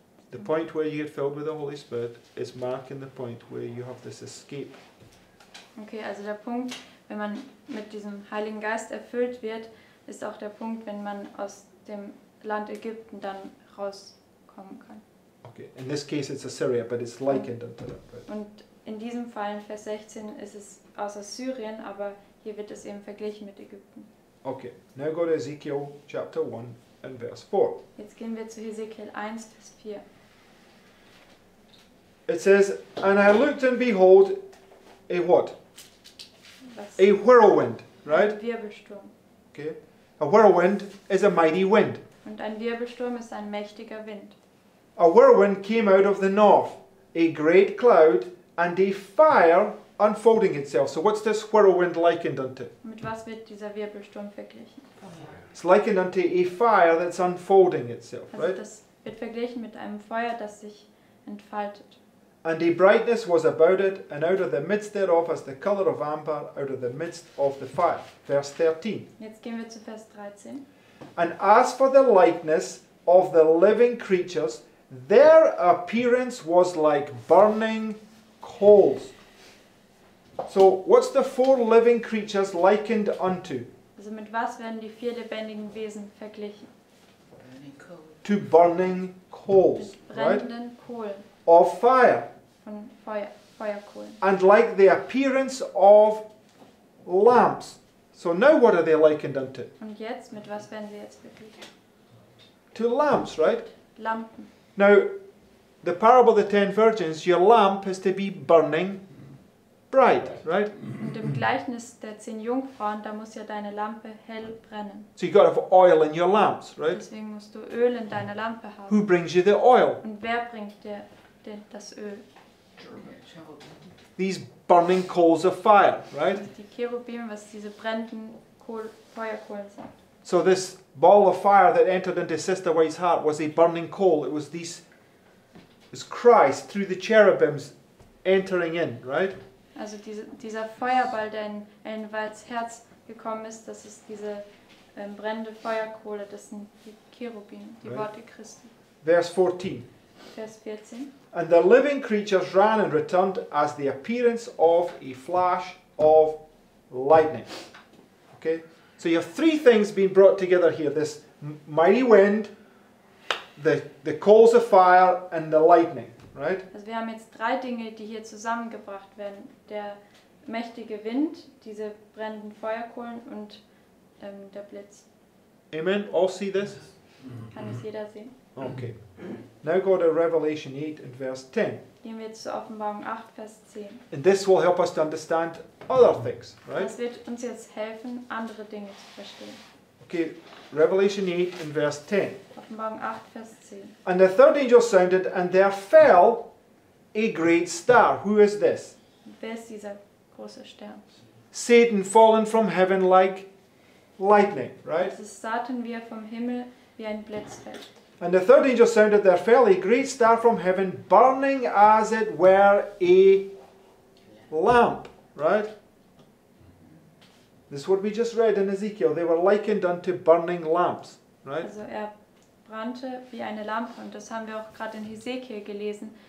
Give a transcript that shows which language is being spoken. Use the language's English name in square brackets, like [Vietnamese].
[English] The point where you get filled with the Holy Spirit is marking the point where you have this escape. [German] Okay, also der Punkt, wenn man mit diesem Heiligen Geist erfüllt wird, ist auch der Punkt, wenn man aus dem Land Ägypten dann rauskommen kann. [English] Okay, in this case it's Assyria, but it's likened unto that. Right? [German] Und in diesem Fall, in Vers 16, ist es aus Assyrien, aber hier wird es eben verglichen mit Ägypten. [English] Okay, now go to Ezekiel chapter 1. And verse 4. [German] Jetzt gehen wir zu Ezekiel 1, Vers 4. [English] It says, and I looked and behold, a what? [German] Was? [English] A whirlwind, right? [German] Wirbelsturm. [English] Okay. A whirlwind is a mighty wind. [German] Und ein Wirbelsturm ist ein mächtiger Wind. [English] A whirlwind came out of the north, a great cloud and a fire unfolding itself. So what's this whirlwind likened unto? [German] Mit was wird dieser Wirbelsturm verglichen? [English] It's likened unto a fire that's unfolding itself, [German] also [English] right? [German] Das wird verglichen mit einem Feuer, das sich entfaltet. [English] And a brightness was about it, and out of the midst thereof as the color of amber, out of the midst of the fire. Verse 13. [German] Jetzt gehen wir zu Vers 13. [English] And as for the likeness of the living creatures, their appearance was like burning coals. So what's the four living creatures likened unto? [German] Also mit was werden die vier lebendigen Wesen verglichen? [English] To burning coals, [German] brennenden [English] right? [German] Kohlen. [English] Of fire. [German] Von Feuer, Feuerkohlen. [English] And like the appearance of lamps. So now what are they likened unto? [German] Und jetzt, mit was werden sie jetzt verglichen? [English] To lamps, right? [German] Lampen. [English] Now, the parable of the ten virgins, your lamp is to be burning bright, right? [German] Und im Gleichnis der zehn Jungfrauen, da muss ja deine Lampe hell brennen. [English] So you got to have oil in your lamps, right? [German] Deswegen musst du Öl in deiner Lampe haben. [English] Who brings you the oil? [German] Und wer bringt dir das Öl? [English] These burning coals of fire, right? [German] Die Cherubim, was diese brennenden Feuerkohlen sind. [English] So this ball of fire that entered into Sister White's heart was a burning coal. It was these, it was Christ through the cherubims entering in, right? [German] Also dieser Feuerball, der in Ellen Whites Herz gekommen ist, das ist diese brennende Feuerkohle, das sind die Cherubim, die right. Worte Christi. [English] Verse 14. [German] Vers 14. [English] And the living creatures ran and returned as the appearance of a flash of lightning. Okay? So you have three things being brought together here. This mighty wind, the coals of fire and the lightning. Right? [German] Also wir haben jetzt drei Dinge, die hier zusammengebracht werden. Der mächtige Wind, diese brennenden Feuerkohlen und der Blitz. [English] Amen. All see this? [German] Kann es jeder sehen? [English] Okay. Now go to Revelation 8 and verse 10. [German] Gehen wir jetzt zu Offenbarung 8, Vers 10. [English] And this will help us to understand other things, right? [German] Das wird uns jetzt helfen, andere Dinge zu verstehen. [English] Okay, Revelation 8 and verse 10. [German] Offenbarung 8, Vers 10. [English] And the third angel sounded, and there fell a great star. [German] Who is this? [English] Wer ist dieser große Stern? [German] Satan fallen from heaven like lightning, right? [English] Das ist Satan, wie er vom Himmel wie ein Blitz fällt. And the third angel sounded, there fell a great star from heaven, burning as it were a lamp, right? This is what we just read in Ezekiel. They were likened unto burning lamps, right? [German] Also er brannte wie eine Lampe, und das haben wir auch gerade in Ezekiel gelesen.